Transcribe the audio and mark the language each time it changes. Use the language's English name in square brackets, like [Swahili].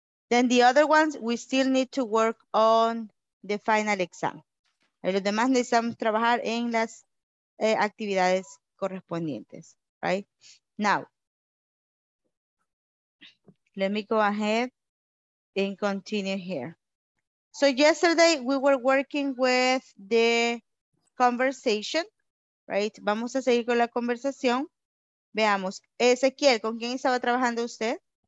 [English] Then the other ones, we still need to work on the final exam. [Spanish] Los demás necesitamos trabajar en las actividades correspondientes. [English] Right? Now, let me go ahead and continue here. So yesterday we were working with the conversation, right? [Spanish] Vamos a seguir con la conversación. Veamos, Ezequiel, ¿con quién estaba trabajando usted?